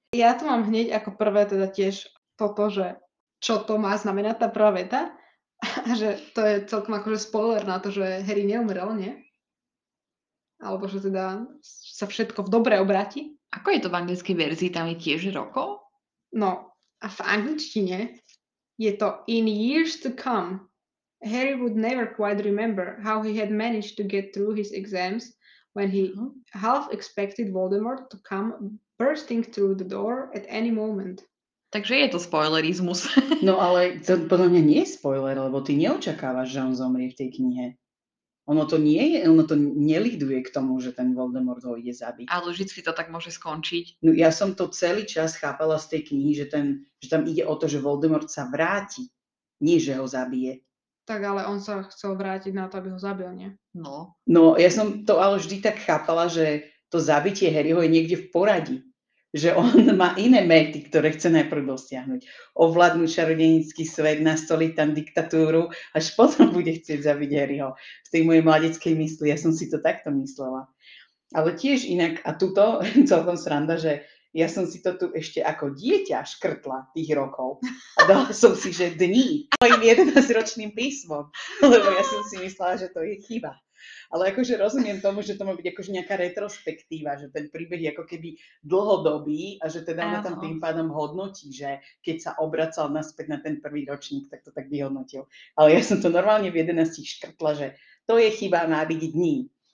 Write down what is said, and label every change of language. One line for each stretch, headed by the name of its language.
Slovak: Ja to mám hneď ako prvé teda tiež toto, že čo to má znamenať tá prvá veta. A že to je celkom akože spoiler na to, že Harry neumrel, nie? Alebo že teda sa všetko v dobre obráti. Ako je to v anglickej verzii? Tam je tiež rokov? No, a v angličtine je to
English: in years to come, Harry would never quite remember how he had managed to get through his exams when he half expected Voldemort to come bursting through the door at any moment.
Slovak: Takže je to spoilerizmus. No ale to podľa mňa nie je spoiler, lebo ty neočakávaš, že on zomrie v tej knihe. Ono to nie je, ono to neliduje k tomu, že ten Voldemort ho ide zabiť. Ale vždycky to tak môže skončiť. No ja som to celý čas chápala z tej knihy, že tam ide o to, že Voldemort sa vráti, nie že ho zabije. Tak ale on sa chcel vrátiť na to, aby ho zabil, nie? No. No ja som to ale vždy tak chápala, že to zabitie Harryho je niekde v poradí. Že on má iné mety, ktoré chce najprv dosiahnuť. Ovládnuť čarodejnícky svet, nastoliť tam diktatúru, až potom bude chcieť zabiť Harryho. V tej mojej mladeckej mysli, ja som si to takto myslela. Ale tiež inak, a tuto celkom sranda, že ja som si to tu ešte ako dieťa škrtla tých rokov. A dala som si, že dní mojim 11-ročným písmom. Lebo ja som si myslela, že to je chyba. Ale akože rozumiem tomu, že to má byť akože nejaká retrospektíva, že ten príbeh je ako keby dlhodobý a že teda ona tam tým pádom hodnotí, že keď sa obracal naspäť na ten prvý ročník, tak to tak vyhodnotil. Ale ja som to normálne v 11 škrtla, že to je chyba, má byť dní.